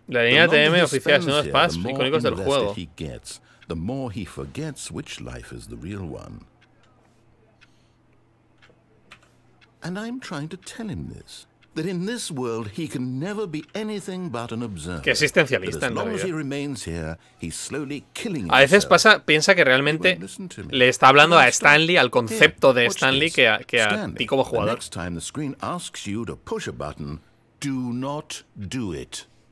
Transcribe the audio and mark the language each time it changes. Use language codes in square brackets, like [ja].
[es] La línea TM oficial, señores, paz, icónicos del juego. [en] He gets, the more he forgets which life is the real one. And I'm trying to tell him this. That in this world he can never be anything but an observer. [es] Que existencialista, [en] as long as he remains here, he's slowly killing himself. [es] A veces pasa, piensa que realmente le está hablando a Stanley, al concepto de Stanley que a ti como jugador. [en] Next time the screen asks you to push a button, do not do it.